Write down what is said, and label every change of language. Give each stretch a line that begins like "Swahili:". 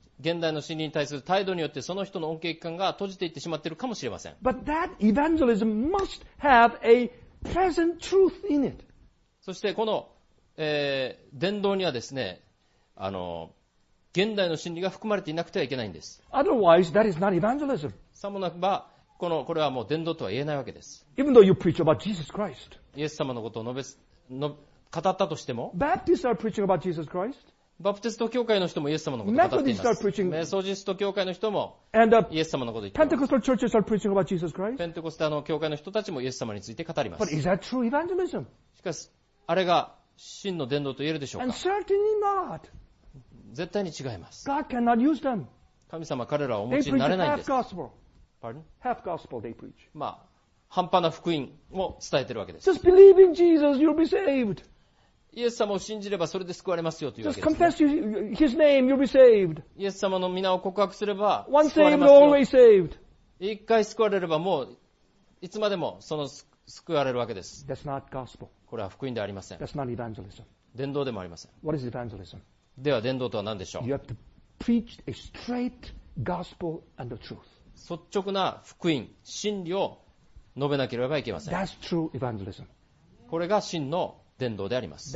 Japanese: 現代の真理に対する態度によってその人の恩恵感が閉じていってしまっているかもしれません。
English: But that evangelism must have a present truth in it.
Japanese: そしてこの、伝道にはですね、現代の真理が含まれていなくてはいけないんです。
English: Otherwise, that is not evangelism.
Japanese: さもなくば、これはもう伝道とは言えないわけです。
English: Even though you preach about Jesus Christ,
Japanese: イエス様のことを語ったとしても、
English: Baptists are preaching about Jesus Christ.
Japanese: バプテスト教会の人もイエス様のことを語っています。
English: Methodists are preaching.
Japanese: メソジスト教会の人もイエス様のことを言っています。
English: Pentecostal churches are preaching about Jesus Christ.
Japanese: ペンテコステの教会の人たちもイエス様について語ります。
English: But is that true evangelism?
Japanese: しかし、あれが真の伝道と言えるでしょうか？
English: And certainly not.
Japanese: 絶対に違います。
English: God cannot use them.
Japanese: 神様は彼らをお持ちになれないんです。
English: They preach half gospel. Pardon? Half gospel they preach.
Japanese: まあ、半端な福音を伝えているわけです。
English: Just believe in Jesus, you'll be saved.
Japanese: イエス様を信じればそれで救われますよというわけです、ね。
English: Just confess his name, you'll be saved.
Japanese: イエス様の名を告白すれば救われますよ。
English: Once saved, always saved.
Japanese: 一回救われればもういつまでもその救われるわけです。
English: That's not gospel.
Japanese: これは福音ではありません。
English: That's not evangelism.
Japanese: 伝道でもありません。
English: What is evangelism?
Japanese: では伝道とは何でしょう？
English: You have to preach a straight gospel and the truth.
Japanese: 率直な福音、真理を述べなければいけません。
English: That's true evangelism.
Japanese: これが真の伝道であります。